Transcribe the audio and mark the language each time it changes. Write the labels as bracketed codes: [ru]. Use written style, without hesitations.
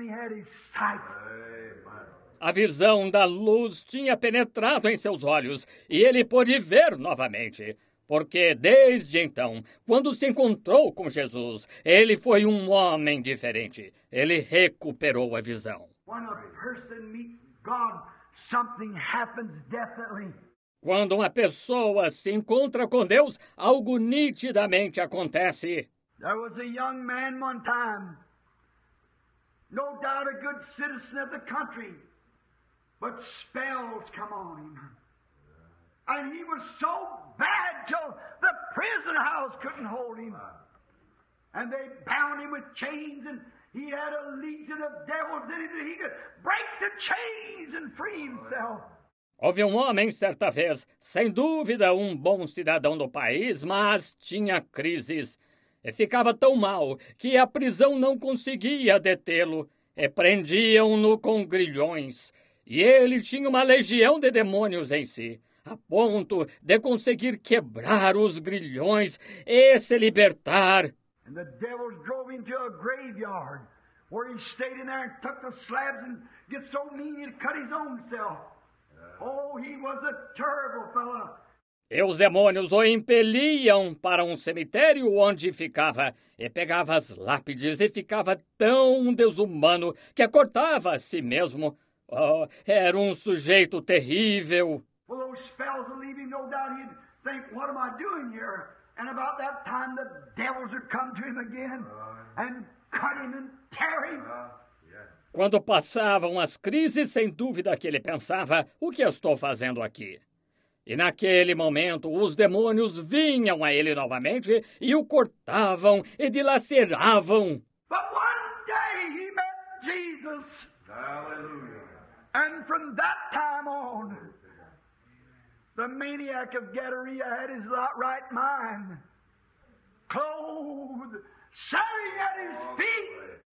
[en] He had his sight. Amen. [pt] A visão da luz tinha penetrado em seus olhos e ele pôde ver novamente. Porque desde então, quando se encontrou com Jesus, ele foi um homem diferente. Ele recuperou a visão. Quando uma pessoa [en] meets God, something happens definitely. [pt] Quando uma pessoa se encontra com Deus, algo nitidamente acontece. [en] There was a young man one time, no doubt a good citizen of the country. But spells come on him. And he was so bad till the prison house couldn't hold him. And they bound him with chains and he had a legion of devils in him that he could break the chains and free himself. [pt] Houve um homem certa vez, sem dúvida um bom cidadão do país, mas tinha crises. E ficava tão mal que a prisão não conseguia detê-lo. E prendiam-no com grilhões. E ele tinha uma legião de demônios em si, a ponto de conseguir quebrar os grilhões e se libertar. [en] And the devils drove him to a graveyard, where he stayed in there and took the slabs and get so mean he'd cut his own self. Oh, he was a terrible fellow. [pt] E os demônios o impeliam para um cemitério onde ficava e pegava as lápides e ficava tão desumano que cortava a si mesmo. Oh, era um sujeito terrível. [en] Well, those spells would leave him, no doubt he'd think, what am I doing here? And about that time the devils would come to him again and cut him and tear him. [pt] Quando passavam as crises, sem dúvida que ele pensava, o que estou fazendo aqui? E naquele momento, os demônios vinham a ele novamente e o cortavam e dilaceravam. [en] But one day he met Jesus. Hallelujah. And from that time on, the maniac of Gadara had his right mind. Clothed, shouting at his feet.